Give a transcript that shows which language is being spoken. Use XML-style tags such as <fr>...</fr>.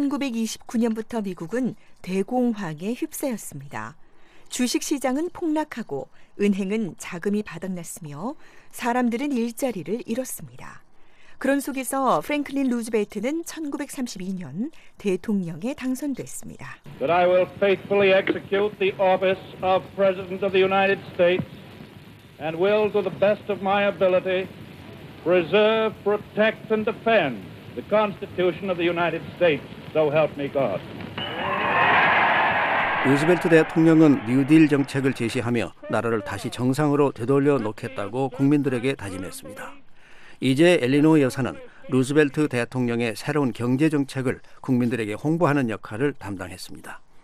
<ko>1929년부터 미국은 대공황에 휩싸였습니다. 주식시장은 폭락하고 은행은 자금이 바닥났으며 사람들은 일자리를 잃었습니다. 그런 속에서 프랭클린 루즈벨트는 1932년 대통령에 당선됐습니다.</ko> <en>That I will faithfully execute the office of President of the United States and will, to the best of my ability, preserve, protect, and defend the Constitution of the United States. So help me God.</en> <ko>루즈벨트 대통령은 뉴딜 정책을 제시하며 나라를 다시 정상으로 되돌려 놓겠다고 국민들에게 다짐했습니다. 이제 엘리노 여사는 루즈벨트 대통령의 새로운 경제 정책을 국민들에게 홍보하는 역할을 담당했습니다.</ko>